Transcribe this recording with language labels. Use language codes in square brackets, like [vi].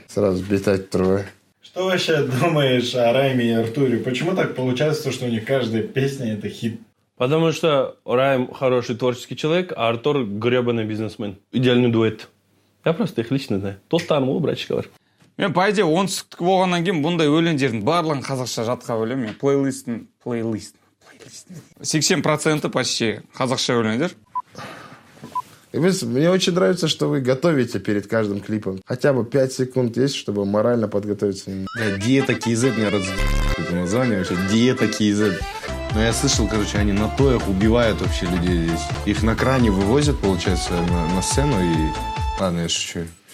[ru] Сразу битать трое. Что вообще думаешь о Райме и Артуре? Почему так получается, что у них каждая песня это хит? Потому что Райм хороший творческий человек, а Артур гребаный бизнесмен. Идеальный дуэт. Я просто их лично знаю. Тот там, о, братчик, говорю. [kk] Мен по идее оңтүстіктік болғаннан кейін бұндай өлеңдердің барлығын қазақша жатқа білемін. Мен плейлистің 80% почти қазақша өлеңдер. [ru] Мне очень нравится, что вы готовите перед каждым клипом. Хотя бы 5 секунд есть, чтобы морально подготовиться. Да, диета KZ, мне раз... Это название вообще, диета KZ. Ну, я слышал, короче, они на тоях убивают вообще людей здесь. Их на кране вывозят, получается, на сцену и... Ладно, я шучу.